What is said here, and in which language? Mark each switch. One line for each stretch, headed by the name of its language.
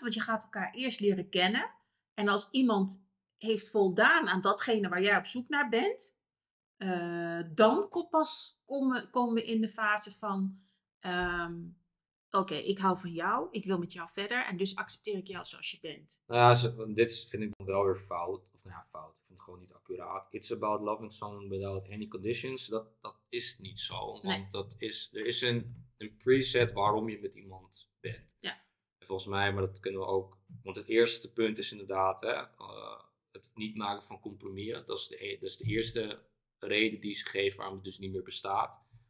Dutch: Want je gaat elkaar eerst leren kennen. En als iemand heeft voldaan aan datgene waar jij op zoek naar bent, dan komen we in de fase van... Oké, ik hou van jou, ik wil met jou verder en dus accepteer ik jou zoals je bent. Nou ja, dit vind ik wel weer fout. Of nou ja, fout. Ik vind het gewoon niet accuraat.
English: It's about loving someone without any conditions.
Dutch: Dat is niet zo. Want nee. Er is een preset waarom je met iemand bent. Ja. En volgens mij, maar dat kunnen we ook... Want het eerste punt is inderdaad, hè, het niet maken van compromissen. Dat is de eerste reden die ze geven waarom het dus niet meer bestaat.